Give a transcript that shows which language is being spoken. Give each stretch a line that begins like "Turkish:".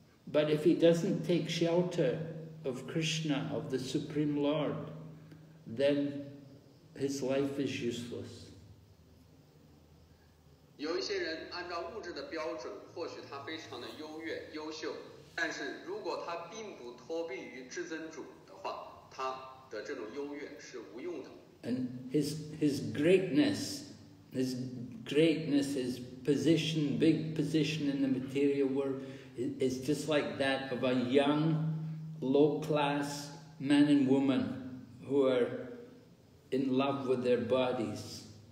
English: But if he doesn't take shelter of Krishna, of the Supreme Lord, then his life is useless.
Chinese: 有一些人按照物质的标准，或许他非常的优越优秀，但是如果他并不脱离于至尊主的话，他的这种优越是无用的。
English: And his greatness, his position, big position in the material world, is just like that of a young, low class man and woman who are in love with their bodies.